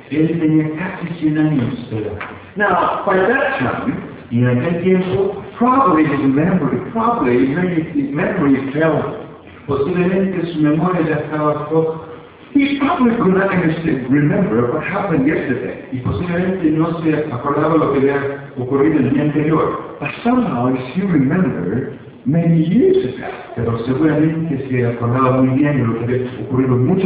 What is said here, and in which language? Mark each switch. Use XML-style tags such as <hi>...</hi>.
<es>Él tenía casi 100 años.</es> <en>Now, by that time,</en> <es>y en aquel tiempo,</es> <en>probably his memory, probably his memory is failing.</en> <es>Posiblemente su memoria ya estaba poco.</es> <en>He probably could not understand, remember what happened yesterday.</en> <es>Y posiblemente no se acordaba lo que había ocurrido el día anterior.</es> <en>But somehow, if you remember, many years ago.</en> <es>Pero seguramente se acordaba muy bien lo que había ocurrido muchos</es>